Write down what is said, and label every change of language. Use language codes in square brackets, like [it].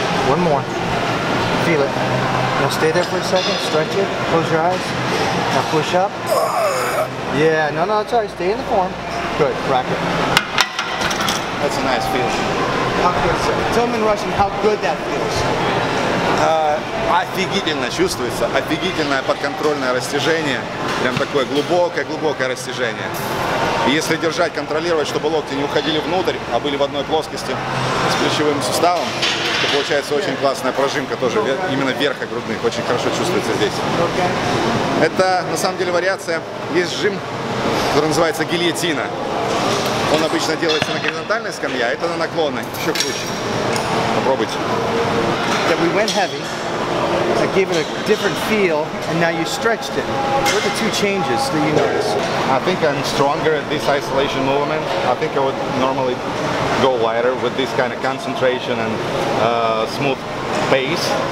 [en] One more. Feel it. Now stay there for a second. Stretch it. Close your eyes. Now push up. Yeah. No, no. That's all right. Stay in the form. Good. Rock it. That's a nice feel. How good, sir? Tell them in Russian how good that feels. [ru] Офигительно чувствуется, офигительное подконтрольное растяжение, прям такое глубокое-глубокое растяжение. И если держать, контролировать, чтобы локти не уходили внутрь, а были в одной плоскости с плечевым суставом, то получается очень классная прожимка тоже, именно верха грудных, очень хорошо чувствуется здесь. Это на самом деле вариация, есть жим, который называется гильотина. Он обычно делается на горизонтальной скамье, а это на наклонной, еще круче. Попробуйте. [en] That we went heavy, I gave it a different feel, and now you stretched it. What are the two changes that you notice? I think I'm stronger at this isolation movement. I think I would normally go lighter with this kind of concentration and smooth pace.